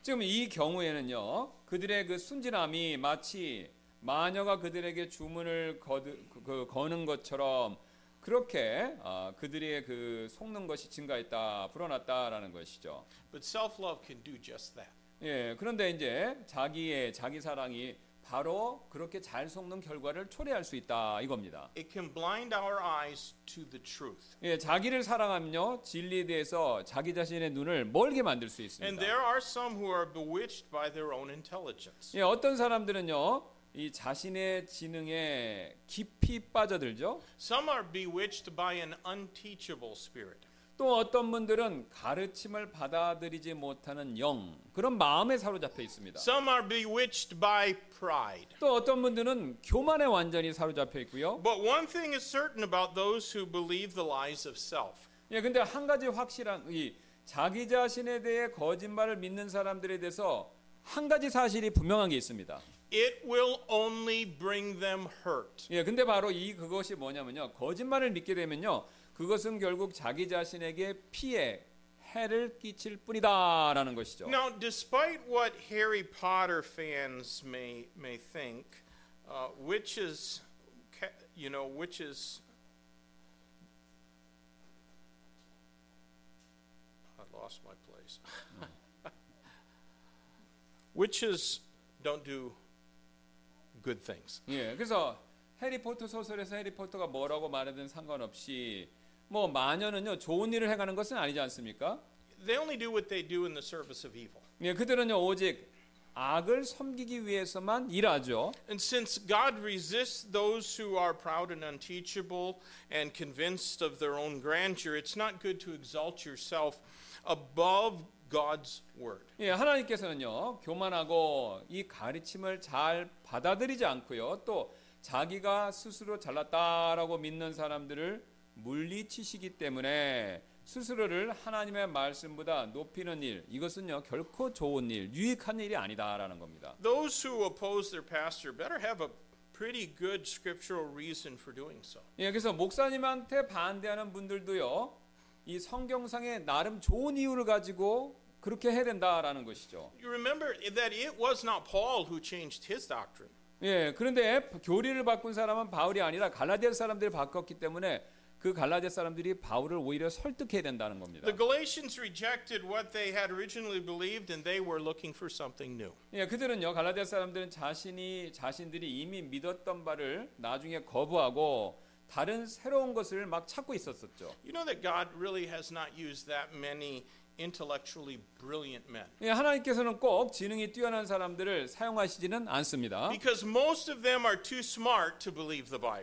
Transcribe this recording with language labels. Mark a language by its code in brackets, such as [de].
[ko] 지금 이 경우에는요, 그들의 그 순진함이 마치 마녀가 그들에게 주문을 거는 것처럼 그렇게 그들의 그 속는 것이 증가했다, 불어났다라는 것이죠. [en] But self-love can do just that. [ko] 예, 그런데 이제 자기 사랑이 바로 그렇게 잘 속는 결과를 초래할 수 있다 이겁니다. [en] It can blind our eyes to the truth. [ko] 예, 자기를 사랑하면요 진리에 대해서 자기 자신의 눈을 멀게 만들 수 있습니다. [en] And there are some who are bewitched by their own intelligence. [ko] 예, 어떤 사람들은요 이 자신의 지능에 깊이 빠져들죠. [en] Some are bewitched by an unteachable spirit. [ko] 또 어떤 분들은 가르침을 받아들이지 못하는 영 그런 마음에 사로잡혀 있습니다. [en] Some are bewitched by pride. [ko] 또 어떤 분들은 교만에 완전히 사로잡혀 있고요. [en] But one thing is certain about those who believe the lies of self. [ko] 예, 근데 한 가지 확실한 이 자기 자신에 대해 거짓말을 믿는 사람들에 대해서 한 가지 사실이 분명한 게 있습니다. [en] It will only bring them hurt. [ko] 예, 근데 바로 이 그것이 뭐냐면요. 거짓말을 믿게 되면요. 그것은 결국 자기 자신에게 피해 해를 끼칠 뿐이다라는 것이죠. [en] Now, despite what Harry Potter fans may think, witches, you know, witches. I lost my place. Witches don't do good things. [ko] 예, 그래서 해리포터 소설에서 해리포터가 뭐라고 말하든 상관없이. 뭐 마녀는요 좋은 일을 해가는 것은 아니지 않습니까? [en] They only do what they do in the service of evil. [ko] 예, 그들은요 오직 악을 섬기기 위해서만 일하죠. [en] And since God resists those who are proud and unteachable and convinced of their own grandeur, it's not good to exalt yourself above God's word. [ko] 예, 하나님께서는요 교만하고 이 가르침을 잘 받아들이지 않고요 또 자기가 스스로 잘났다라고 믿는 사람들을 물리치시기 때문에 스스로를 하나님의 말씀보다 높이는 일 이것은요 결코 좋은 일 유익한 일이 아니다라는 겁니다. [en] Those who oppose their pastor better have a pretty good scriptural reason for doing so. [ko] 예, 그래서 목사님한테 반대하는 분들도요 이 성경상에 나름 좋은 이유를 가지고 그렇게 해야 된다라는 것이죠. [en] You remember that it was not Paul who changed his doctrine. [ko] 예, 그런데 교리를 바꾼 사람은 바울이 아니라 갈라디아 사람들이 바꿨기 때문에 그 갈라디아 사람들이 바울을 오히려 설득해야 된다는 겁니다. [en] The Galatians rejected what they had originally believed and they were looking for something new. [ko] 예, 그들은요. 갈라디아 사람들은 자신들이 이미 믿었던 바를 나중에 거부하고 다른 새로운 것을 막 찾고 있었었죠. [en] You know that God really has not used that many intellectually brilliant men. [ko] 예, 하나님께서는 꼭 지능이 뛰어난 사람들을 사용하시지는 않습니다. [en] Because most of them are too smart to believe the Bible.